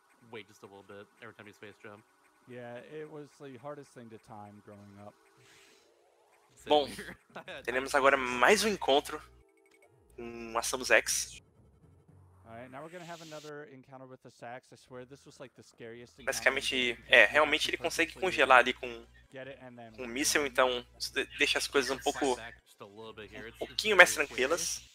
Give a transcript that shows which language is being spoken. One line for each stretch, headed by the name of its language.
English: Wait just a little bit every time you space jump. Yeah, it was the hardest thing to time growing up.
Portuguese: Bom, teremos agora mais um encontro com a Samus X.
English: Alright, now we're gonna have another encounter with the Sax. I swear this was like the scariest thing.
Portuguese: Basicamente, realmente ele consegue congelar ali com o míssil, então isso deixa as coisas um pouco. Um pouquinho mais tranquilas.